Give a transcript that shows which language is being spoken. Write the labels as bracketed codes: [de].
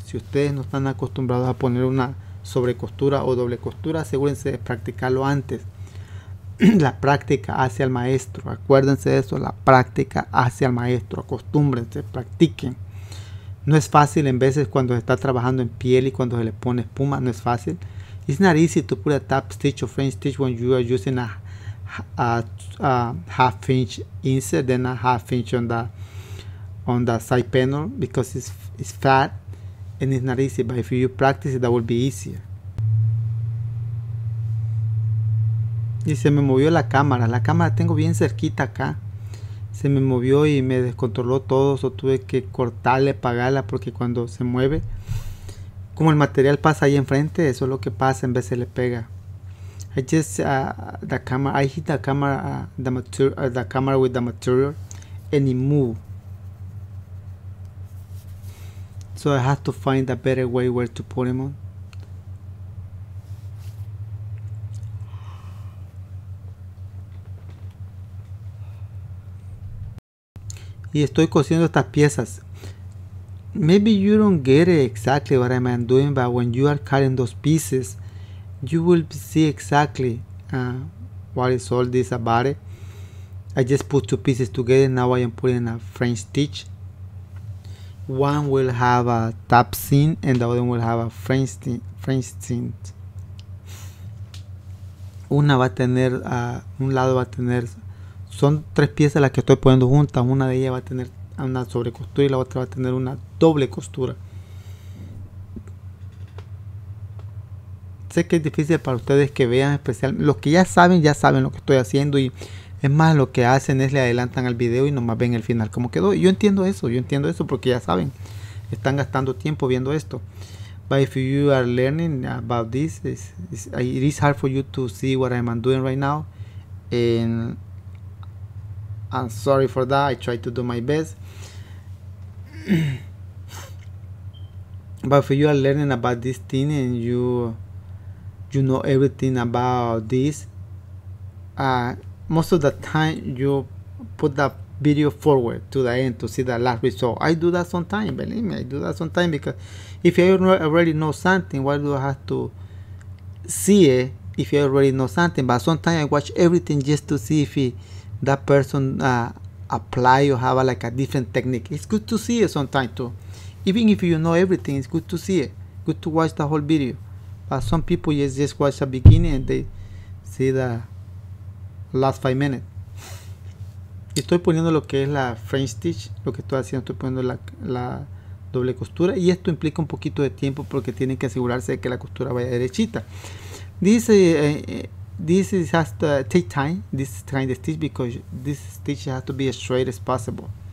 [es] Si ustedes no están acostumbrados a poner una sobre costura o doble costura, asegúrense de practicarlo antes. La práctica hace al maestro. Acuérdense de eso, la práctica hace al maestro. Acostúmbrense, practiquen. No es fácil en veces cuando se está trabajando en piel y cuando se le pone espuma, no es fácil. [en] It's not easy to put a top stitch or French stitch when you are using a half inch insert than a half inch on the side panel, because it's fat and it's not easy. But if you practice it, that will be easier. [es] Y se me movió la cámara. La cámara tengo bien cerquita acá. Se me movió y me descontroló todo, [en] so [es] tuve que cortarle, apagarla, porque cuando se mueve, como el material pasa ahí enfrente, eso es lo que pasa, en vez se le pega. [en] I hit the camera with the material and it moved. So I have to find a better way where to put him on. [es] Y estoy cosiendo estas piezas. [en] Maybe you don't get it exactly what I'm doing, but when you are cutting those pieces, you will see exactly what is all this about it. I just put two pieces together. Now I am putting a French stitch. One will have a top seam and the other will have a French seam. [es] Una va a tener, un lado va a tener. Son tres piezas las que estoy poniendo juntas. Una de ellas va a tener una sobre costura y la otra va a tener una doble costura. Sé que es difícil para ustedes que vean, especialmente los que ya saben lo que estoy haciendo. Y es más, lo que hacen es le adelantan al video y nomás ven el final como quedó. Yo entiendo eso, porque ya saben. Están gastando tiempo viendo esto. [en] But if you are learning about this, it is hard for you to see what I am doing right now. And I'm sorry for that. I try to do my best. But if you are learning about this thing and you know everything about this, most of the time you put the video forward to the end to see the last result. I do that sometimes. Believe me, I do that sometimes, because if you already know something, why do I have to see it if you already know something? But sometimes I watch everything just to see if that person apply or have like a different technique. It's good to see it sometimes too. Even if you know everything, it's good to see it. Good to watch the whole video. But some people just watch the beginning and they see the last 5 minutes. [es] Estoy poniendo lo que es la French stitch, lo que estoy haciendo, estoy poniendo la doble costura. Y esto implica un poquito de tiempo porque tienen que asegurarse de que la costura vaya derechita. [en] Dice, this is has to take time, this kind of stitch, because this stitch has to be as straight as possible.